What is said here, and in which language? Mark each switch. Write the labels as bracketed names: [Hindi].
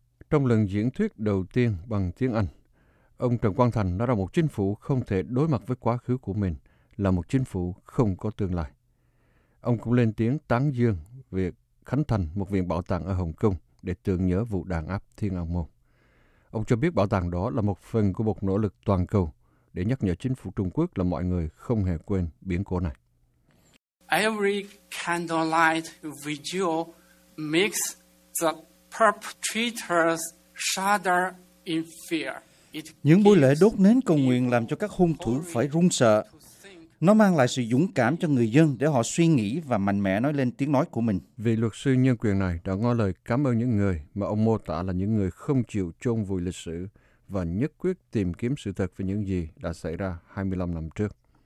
[Vietnamese] Trong lần diễn thuyết đầu tiên bằng tiếng Anh, ông Trần Quang Thành nói rằng một chính phủ không thể đối mặt với quá khứ của mình là một chính phủ không có tương lai. Ông cũng lên tiếng tán dương việc khánh thành một viện bảo tàng ở Hồng Kông để tưởng nhớ vụ đàn áp Thiên An Môn. Ông cho biết bảo tàng đó là một phần của một nỗ lực toàn cầu để nhắc nhở chính phủ Trung Quốc là mọi người không hề quên biến cố này. [English] Every candlelight vigil makes the perpetrators shudder in fear. [Vietnamese] Những buổi lễ đốt nến cầu nguyện làm cho các hung thủ phải run sợ. Nó mang lại sự dũng cảm cho người dân để họ suy nghĩ và mạnh mẽ nói lên tiếng nói của mình. Vị luật sư nhân quyền này đã ngỏ lời cảm ơn những người mà ông mô tả là những người không chịu chôn vùi lịch sử và nhất quyết tìm kiếm sự thật về những gì đã xảy ra 25 năm trước.